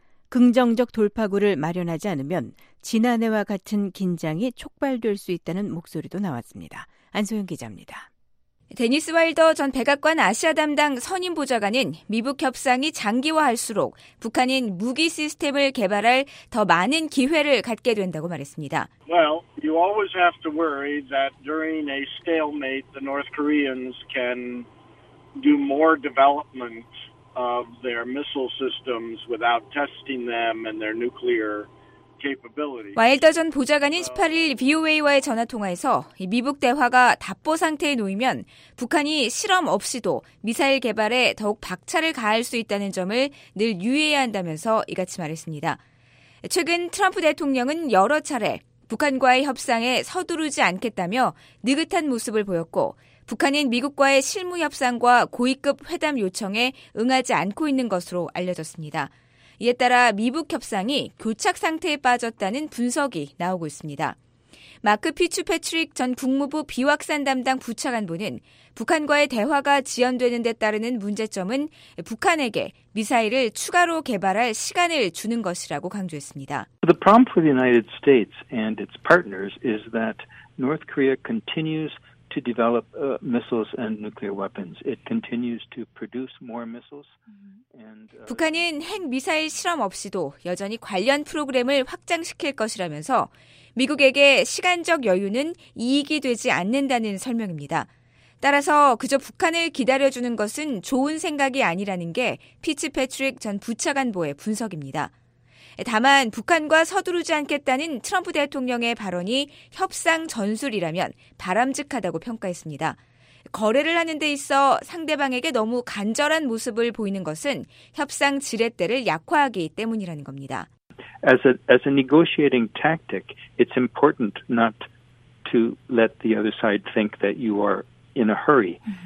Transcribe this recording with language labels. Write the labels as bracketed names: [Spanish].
[Korean] 긍정적 돌파구를 마련하지 않으면 지난해와 같은 긴장이 촉발될 수 있다는 목소리도 나왔습니다. 안소영 기자입니다. 데니스 와일더 전 백악관 아시아 담당 선임 보좌관은 미북 협상이 장기화할수록 북한인 무기 시스템을 개발할 더 많은 기회를 갖게 된다고 말했습니다. [English] Well, you always have to worry that during a stalemate the North Koreans can do more development of their missile systems without testing them and their nuclear [Korean] 와일더 전 보좌관인 18일 VOA와의 전화통화에서 미북 대화가 답보 상태에 놓이면 북한이 실험 없이도 미사일 개발에 더욱 박차를 가할 수 있다는 점을 늘 유의해야 한다면서 이같이 말했습니다. 최근 트럼프 대통령은 여러 차례 북한과의 협상에 서두르지 않겠다며 느긋한 모습을 보였고 북한은 미국과의 실무 협상과 고위급 회담 요청에 응하지 않고 있는 것으로 알려졌습니다. 이에 따라 미북 협상이 교착 상태에 빠졌다는 분석이 나오고 있습니다. 마크 피츠 패트릭 전 국무부 비확산 담당 부차관보는 북한과의 대화가 지연되는 데 따르는 문제점은 북한에게 미사일을 추가로 개발할 시간을 주는 것이라고 강조했습니다. [English] The problem for the United States and its partners is that North Korea continues to develop missiles and nuclear weapons. It continues to produce more missiles. [Korean] 북한은 핵미사일 실험 없이도 여전히 관련 프로그램을 확장시킬 것이라면서 미국에게 시간적 여유는 이익이 되지 않는다는 설명입니다. 따라서 그저 북한을 기다려주는 것은 좋은 생각이 아니라는 게 피츠 패트릭 전 부차관보의 분석입니다. 다만 북한과 서두르지 않겠다는 트럼프 대통령의 발언이 협상 전술이라면 바람직하다고 평가했습니다. 거래를 하는 데 있어 상대방에게 너무 간절한 모습을 보이는 것은 협상 지렛대를 약화하기 때문이라는 겁니다. [English] As a negotiating tactic, it's important not to let the other side think that you are in a hurry.